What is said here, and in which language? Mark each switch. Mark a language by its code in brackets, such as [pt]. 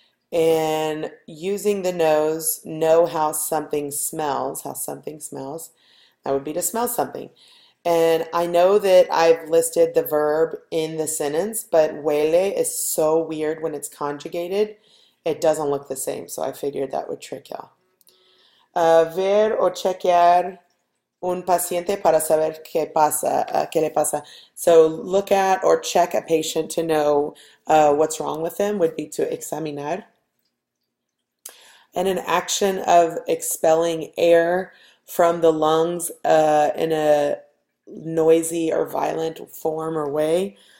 [en] And using the nose, know how something smells, that would be to smell something. And I know that I've listed the verb in the sentence, but huele is so weird when it's conjugated, it doesn't look the same, so I figured that would trick y'all. [es] Ver o chequear un paciente para saber qué le pasa. [en] So look at or check a patient to know what's wrong with them would be to examinar. And an action of expelling air from the lungs in a noisy or violent form or way.